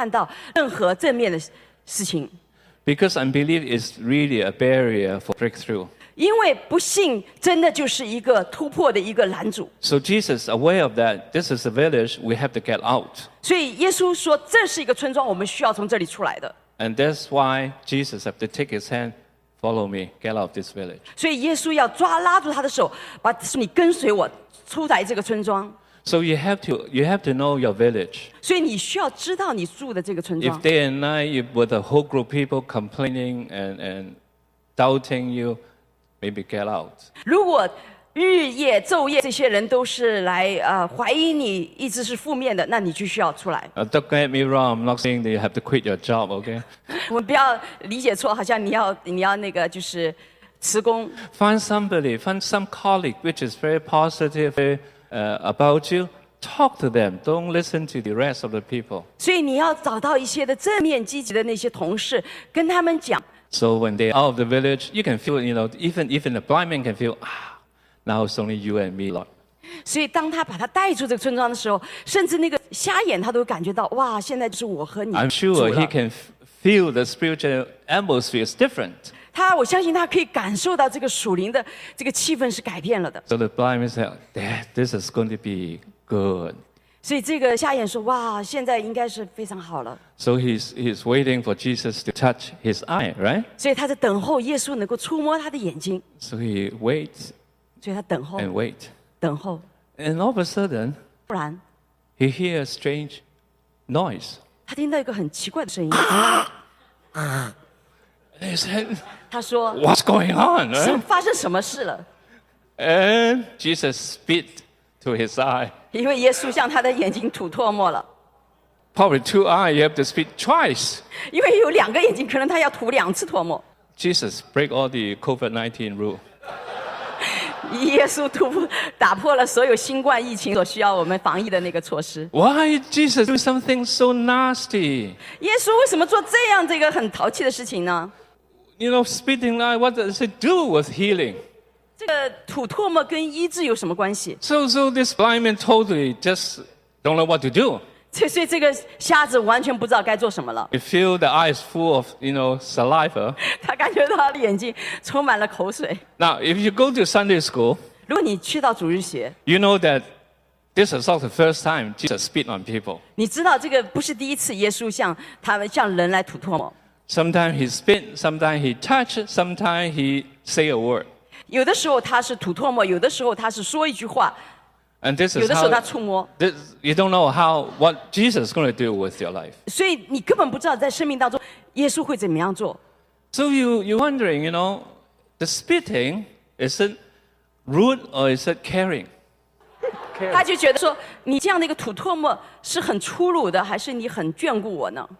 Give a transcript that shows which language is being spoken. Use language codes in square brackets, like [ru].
[zh] 因为他们一直是这样的一个不幸的里面，他们没有办法看到任何正面的事情。 [en] Because unbelief is really a barrier for breakthrough. [zh] 因为不信真的就是一个突破的一个拦阻。 [en] So Jesus aware of that. This is a village. We have to get out. [zh] 所以耶稣说，这是一个村庄，我们需要从这里出来的。 [en] And that's why Jesus had to take his hand, follow me, get out of this village. [zh] 所以耶稣要拉住他的手，把你跟随我，出来这个村庄。 [en] So you have to know your village. [zh] 所以你需要知道你住的这个村庄。 [en] If day and night you with a whole group of people complaining and doubting you, maybe get out. [zh] 如果日夜昼夜这些人都是来怀疑你，一直是负面的，那你就需要出来。 [en] Don't get me wrong. I'm not saying that you have to quit your job. Okay. [zh] 我们不要理解错，好像你要那个就是辞工。 [en] Find somebody, find some colleague which is very positive about you. Talk to them. Don't listen to the rest of the people. [zh] 所以你要找到一些的正面积极的那些同事，跟他们讲。 [en] So when they're out of the village, you can feel, you know, even the blind man can feel, now it's only you and me, Lord. [zh] 所以当他把他带出这个村庄的时候，甚至那个瞎眼他都感觉到，哇，现在就是我和你。 [en] I'm sure he can feel the spiritual atmosphere is different. [zh] 他，我相信他可以感受到这个属灵的这个气氛是改变了的。 [en] So the blind man said, this is going to be good. [zh] 所以这个瞎眼说，哇，现在应该是非常好了。 [en] So he's waiting for Jesus to touch his eye, right? [zh] 所以他在等候耶稣能够触摸他的眼睛。 [en] So he waits. [zh] 所以他等候。 [en] And wait. [zh] 等候。 [en] And all of a sudden, [zh] 不然 [en] he hears a strange noise. [zh] 他听到一个很奇怪的声音。 [en] And he said, [zh] 他说 [en] What's going on?、 Right? [zh] 发生什么事了？ [en] And Jesus spit to his eye. [zh] 因为耶稣向他的眼睛吐唾沫了。 [en] Probably two eyes, you have to spit twice. [zh] 因为有两个眼睛，可能他要吐两次唾沫。 [en] Jesus, break all the COVID-19 rule. [zh] 耶稣打破了所有新冠疫情所需要我们防疫的那个措施。 [en] Why Jesus do something so nasty? [zh] 耶稣为什么做这样这个很淘气的事情呢？ [en] You know, spitting eye, what does it do with healing? [zh] 这个吐唾沫跟医治有什么关系？ [en] So this blind man totally just don't know what to do. [zh] 所以这个瞎子完全不知道该做什么了。 [en] You feel the eyes full of, you know, saliva. [zh] 他感觉到他的眼睛充满了口水。 [en] Now, if you go to Sunday school, [zh] 如果你去到主日学， [en] you know that this is not the first time Jesus spit on people. [zh] 你知道这个不是第一次耶稣向他们向人来吐唾沫。 [en] Sometimes he spit, sometimes he touch, sometimes he say a word. [zh] 有的时候他是吐唾沫，有的时候他是说一句话。 [en] And this is you don't know how what Jesus is going to do with your life. [zh] 所以你根本不知道在生命当中耶稣会怎么样做。 [en] So you're wondering, you know, the spitting, is it rude or is it caring? [zh] 他就觉得说你这样的一个吐唾沫是很粗鲁的还是你很眷顾我呢？